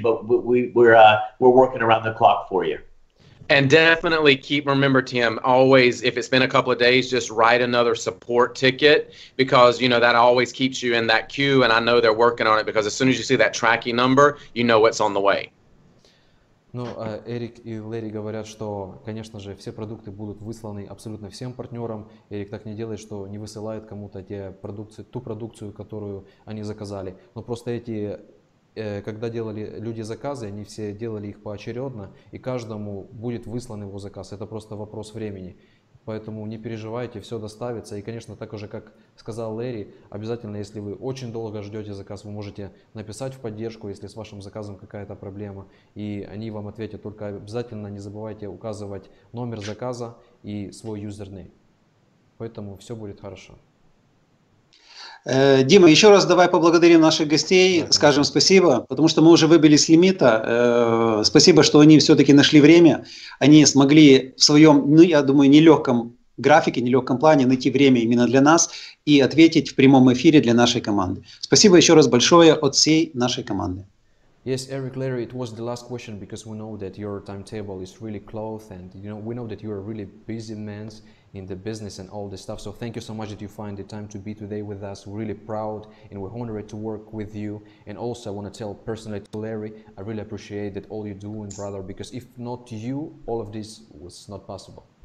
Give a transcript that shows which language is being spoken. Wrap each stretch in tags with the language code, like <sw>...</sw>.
<en>But we're working around the clock for you. And definitely remember, Tim, always, if it's been a couple of days, just write another support ticket, because you know that always keeps you in that queue. And I know they're working on it, because as soon as you see that tracking number, you know what's on the way.</en> <ru>Ну, Эрик и Лэри говорят, что, конечно же, все продукты будут высланы абсолютно всем партнерам. Эрик так не делает, что не высылает кому-то ту продукцию, которую они заказали. Но просто когда делали люди заказы, они все делали их поочередно, и каждому будет выслан его заказ. Это просто вопрос времени. Поэтому не переживайте, все доставится. И, конечно, так же, как сказал Лэри, обязательно, если вы очень долго ждете заказ, вы можете написать в поддержку, если с вашим заказом какая-то проблема, и они вам ответят. Только обязательно не забывайте указывать номер заказа и свой юзернейм. Поэтому все будет хорошо. Дима, еще раз давай поблагодарим наших гостей, скажем спасибо, потому что мы уже выбили с лимита. Спасибо, что они все-таки нашли время. Они смогли в своем, ну, я думаю, нелегком графике, нелегком плане найти время именно для нас и ответить в прямом эфире для нашей команды. Спасибо еще раз большое от всей нашей команды.</ru> <en>Yes, Eric, Larry, it was the last question, because we know that your timetable is really close, and you know, we know that you are really busy man in the business and all this stuff. So thank you so much that you find the time to be today with us. We're really proud and we're honored to work with you. And also I want to tell personally to Larry, I really appreciate that all you're doing, brother, because if not you, all of this was not possible.</en>